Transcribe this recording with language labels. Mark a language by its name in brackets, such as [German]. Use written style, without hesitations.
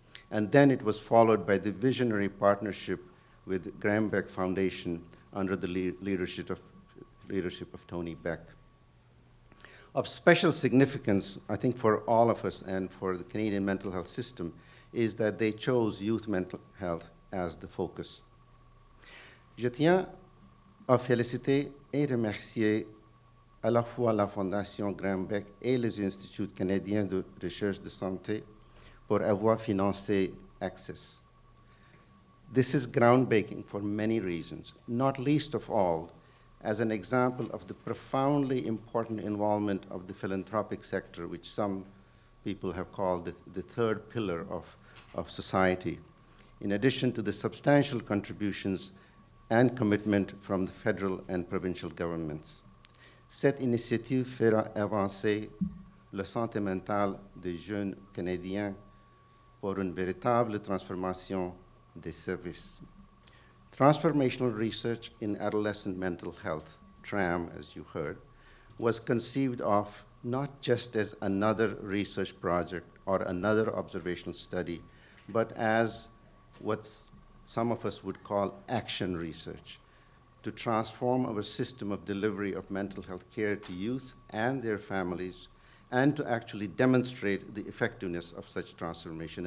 [English] And then it was followed by the visionary partnership with Graham Beck Foundation under the leadership of Tony Beck. Of special significance, I think, for all of us and for the Canadian mental health system is that they chose youth mental health as the focus. [French] Je tiens à féliciter et remercier à la fois la Fondation Graham Beck et les Instituts canadiens de recherche de santé pour avoir financé Access. [English] This is groundbreaking for many reasons, not least of all as an example of the profoundly important involvement of the philanthropic sector, which some people have called the third pillar of society, in addition to the substantial contributions and commitment from the federal and provincial governments. [French] Cette initiative fera avancer la santé mentale des jeunes Canadiens pour une véritable transformation des services. [English] Transformational research in adolescent mental health, TRAM, as you heard, was conceived of not just as another research project or another observational study, but as what some of us would call action research, to transform our system of delivery of mental health care to youth and their families, and to actually demonstrate the effectiveness of such transformation.